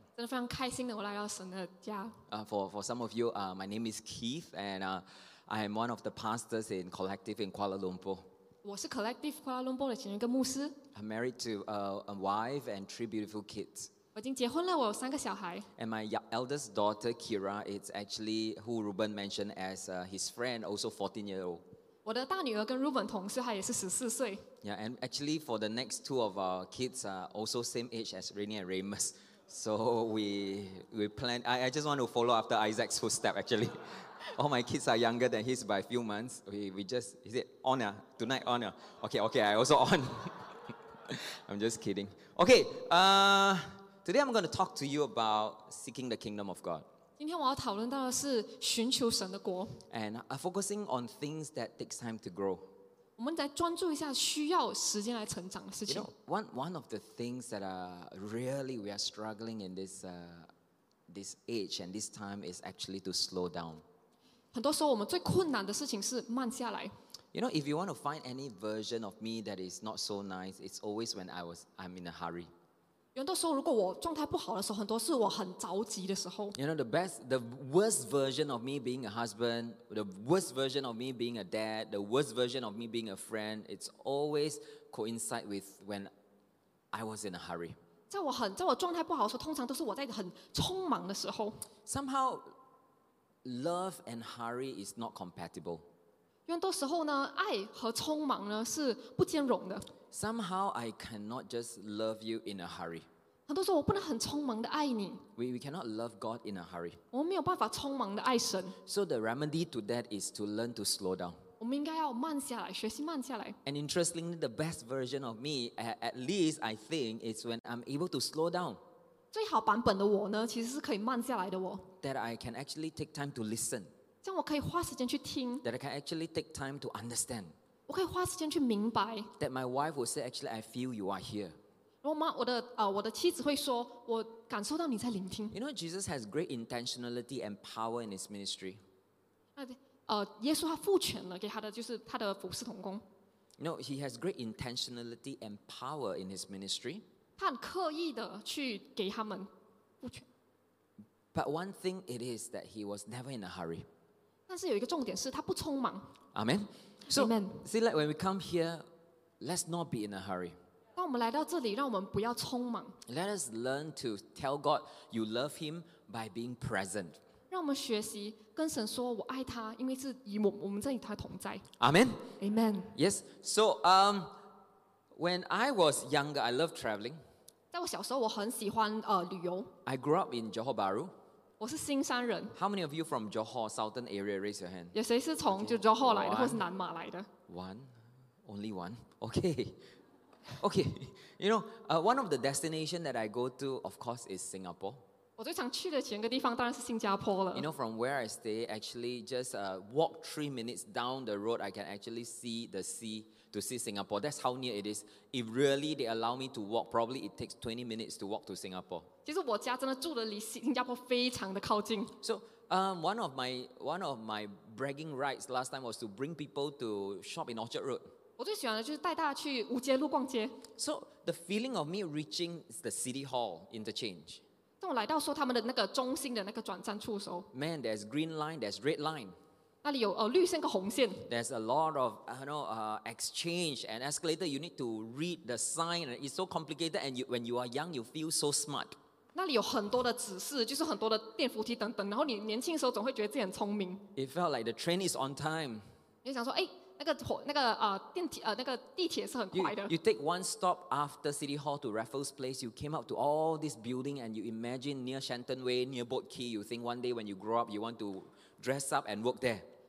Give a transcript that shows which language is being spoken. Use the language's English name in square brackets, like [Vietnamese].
[Chinese] 真的非常开心的我来到神的家. [English] For some of you, my name is Keith, and I am one of the pastors in Collective in Kuala Lumpur. [Chinese] 我是 Collective Kuala Lumpur的前任跟牧师. [English] I'm married to a wife and three beautiful kids. [Chinese] 我已经结婚了，我有三个小孩. [English] And my eldest daughter Kira is actually who Ruben mentioned as his friend, also 14-year-old. [Chinese] 我的大女儿跟Ruben同事，她也是14岁。 [English] Yeah, and actually for the next two of our kids are also same age as Rainey and Ramus. So we plan, I just want to follow after Isaac's footstep actually. All my kids are younger than his by a few months. We just, is it on? Tonight on? Okay, I also on. I'm just kidding. Okay, today I'm going to talk to you about seeking the kingdom of God. [Chinese] 今天我要讨论到的是寻求神的国. [English] And focusing on things that takes time to grow. [Chinese] 我们来专注一下需要时间来成长的事情. [English] You know, one of the things that we are struggling in this age and this time is actually to slow down. [Chinese] 很多时候我们最困难的事情是慢下来. [English] You know, if you want to find any version of me that is not so nice, it's always when I'm in a hurry. [Chinese] 有很多时候如果我状态不好的时候，很多是我很着急的时候。 [English] You know, the worst version of me being a husband, the worst version of me being a dad, the worst version of me being a friend, it's always coincide with when I was in a hurry. [Chinese] 在我状态不好的时候，通常都是我在很匆忙的时候。 [English] Somehow, love and hurry is not compatible. [Chinese] 有很多时候呢，爱和匆忙呢是不兼容的。 [English] Somehow I cannot just love you in a hurry. [Chinese] 很多时候我不能很匆忙的爱你. [English] We cannot love God in a hurry. [Chinese] 我们没有办法匆忙的爱神. [English] So the remedy to that is to learn to slow down. [Chinese] 我们应该要慢下来, 学习慢下来. [English] And interestingly, the best version of me, at least I think, is when I'm able to slow down. [Chinese] 最好版本的我呢, 其实是可以慢下来的我. [English] That I can actually take time to listen. [Chinese] 这样我可以花时间去听. [English] That I can actually take time to understand. [Chinese] 我可以花时间去明白. [English] That my wife will say, actually, I feel you are here. [Chinese] 我的妻子会说, 我感受到你在聆听. [English] You know, Jesus has great intentionality and power in his ministry. [Chinese] 耶稣他父权了, 给他的就是他的服侍同工. [English] You know, he has great intentionality and power in his ministry. [Chinese] 他很刻意的去给他们父权. [English] But one thing it is that he was never in a hurry. [Chinese] 但是有一个重点是他不匆忙. [English] Amen. So, Amen. See, like when we come here, let's not be in a hurry. [Chinese] 当我们来到这里, [English] let us learn to tell God you love him by being present. [Chinese] 让我们学习跟神说我爱他, 因为是以我们在与他同在. [English] Amen. Amen. Yes. So, when I was younger, I loved traveling. [Chinese] 在我小时候我很喜欢,旅游. [English] I grew up in Johor Bahru. [Chinese] 我是新山人. [English] How many of you from Johor, southern area, raise your hand? [Chinese] 有谁是从Johor来的, okay. 或是南马来的? [English] One? Only one? Okay. Okay. You know, one of the destinations that I go to, of course, is Singapore. [Chinese] 我最常去的前个地方当然是新加坡了。 [English] You know, from where I stay, actually, just walk 3 minutes down the road, I can actually see the sea, to see Singapore. That's how near it is. If really they allow me to walk, probably it takes 20 minutes to walk to Singapore. [Chinese] 其实我家真的住得离新加坡非常的靠近. [English] So, one of my bragging rights last time was to bring people to shop in Orchard Road. [Chinese] 我最喜欢的就是带大家去五街路逛街. [English] So, the feeling of me reaching the City Hall interchange. [Chinese] 当我来到说他们的那个中心的那个转站处的时候, [English] man, there's green line, there's red line. [Chinese] 那里有, 绿线跟红线. [English] There's a lot of, you know, exchange and escalator. You need to read the sign. It's so complicated. And when you are young, you feel so smart. [Chinese] 那里有很多的指示，就是很多的电扶梯等等。然后你年轻的时候总会觉得自己很聪明. [English] It felt like the train is on time. [Chinese] 你想说，哎，那个火，那个电梯，那个地铁是很快的。 [English] You take one stop after City Hall to Raffles Place. You came up to all this building, and you imagine near Shenton Way, near Boat Quay. You think one day when you grow up, you want to dress up and work there.